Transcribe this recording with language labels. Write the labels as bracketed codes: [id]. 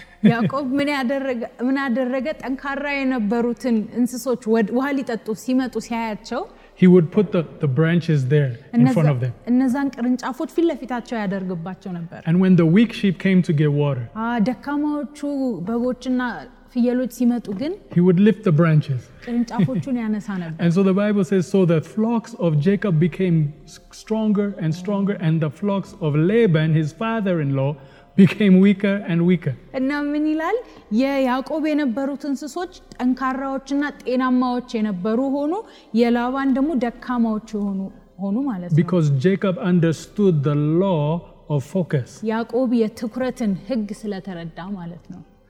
[am] ያዕቆብ ምን አደረገ ጠንካራ የነበሩትን እንስሶች ውሃ ሊጠጡ ሲመጡ ሲያያቸው [en] He would put the branches there in front of them. [am] እነዛን ቅርንጫፎች ፊት ለፊታቸው ያደርግባቸው ነበር. [en] And when the weak sheep came to get water. [am] ደካማዎቹ በጎችና ፍየሎች ሲመጡ ግን [en] He would lift the branches. [am] ቅርንጫፎቹን ያነሳ ነበር. [en] And so the Bible says so that flocks of Jacob became stronger and stronger and the flocks of Laban his father-in-law became weaker and weaker. [am] እና ምን ይላል? የያዕቆብ የነበሩት እንስሶች ጠንካራዎችና ጤናማዎች የነበሩ ሆኑ የላባን ደግሞ ደካማዎች ሆኑ ማለት ነው። [en] Because Jacob understood the law of focus. [am] ያዕቆብ የትኩረትን ህግ ስለተረዳ ማለት ነው።